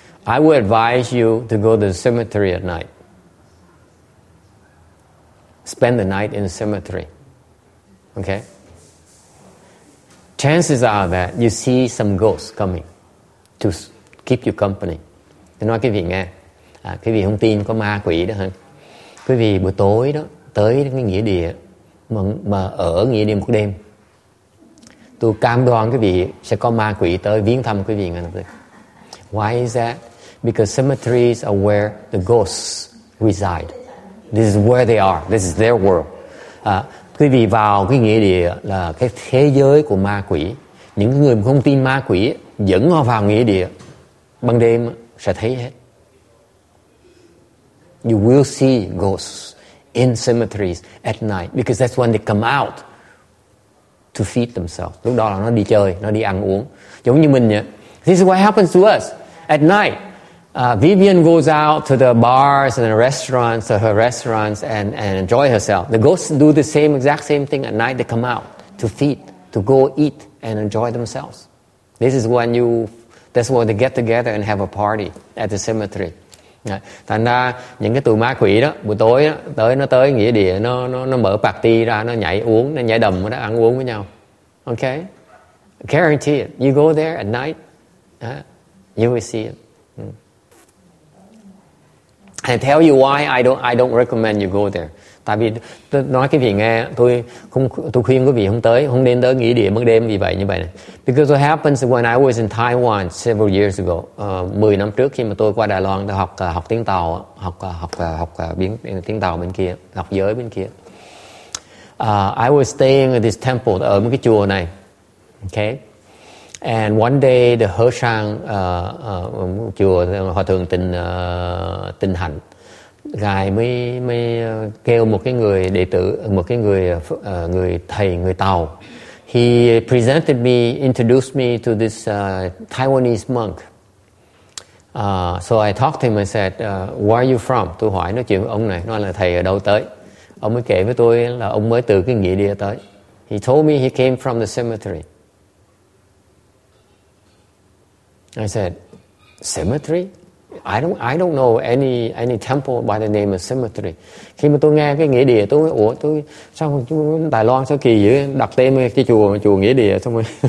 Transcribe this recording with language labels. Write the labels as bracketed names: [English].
[English] I would advise you to go to the cemetery at night. Spend the night in the cemetery. Okay? chances are that you see some ghosts coming to keep you company. [Vietnamese] Tôi nói quý vị nghe, quý vị không tin có ma quỷ đó hả? Quý vị buổi tối đó tới cái nghĩa địa mà ở nghĩa địa một đêm, tôi cam đoan quý vị sẽ có ma quỷ tới viếng thăm quý vị nghe. [English] Why is that? Because cemeteries are where the ghosts reside. This is where they are. This is their world. [Vietnamese] Quý vị vào cái nghĩa địa là cái thế giới của ma quỷ. Những người không tin ma quỷ dẫn họ vào nghĩa địa ban đêm sẽ thấy hết. [English] You will see ghosts in cemeteries at night because that's when they come out to feed themselves. [Vietnamese] Lúc đó là nó đi chơi, nó đi ăn uống. Giống như mình nhỉ? [English] This is what happens to us at night. Vivian goes out to the bars and the restaurants, to her restaurants, and enjoy herself. The ghosts do the same exact same thing at night. They come out to feed, to go eat and enjoy themselves. This is when you, that's when they get together and have a party at the cemetery. [Vietnamese] Thành ra những cái tụi ma quỷ đó buổi tối đó, tới nó tới nghĩa địa nó mở party ra, nó nhảy uống, nó nhảy đầm, nó ăn uống với nhau. [English] Okay, guarantee it. You go there at night, you will see it. I tell you why I don't recommend you go there. [Vietnamese] Tại vì tôi nói cái vị nghe, tôi khuyên quý vị không tới, không nên tới nghỉ địa ban đêm vì vậy như vậy này. [English] Because what happens when I was in Taiwan several years ago, [Vietnamese] 10 năm trước khi mà tôi qua Đài Loan để học tiếng tàu, học tiếng tàu bên kia, học giới bên kia. [English] I was staying at this temple, [Vietnamese] ở một cái chùa này. [English] Okay. And one day the [Vietnamese] Hơ Sang chùa hòa thượng Tịnh Hạnh, ngài mới kêu một cái người đệ tử, một cái người người thầy người Tàu. [English] He presented me, introduced me to this Taiwanese monk. So I talked to him and said, "Where are you from?" [Vietnamese] Tôi hỏi nói chuyện với ông này, nói là thầy ở đâu tới. Ông mới kể với tôi là ông mới từ cái nghĩa địa tới. [English] He told me he came from the cemetery. I said, cemetery? I don't know any temple by the name of cemetery. [Vietnamese] Khi mà tôi nghe cái nghĩa địa, tôi nói, ủa tôi sao Đài Loan sao kỳ dữ, đặt tên cái chùa nghĩa địa xong rồi.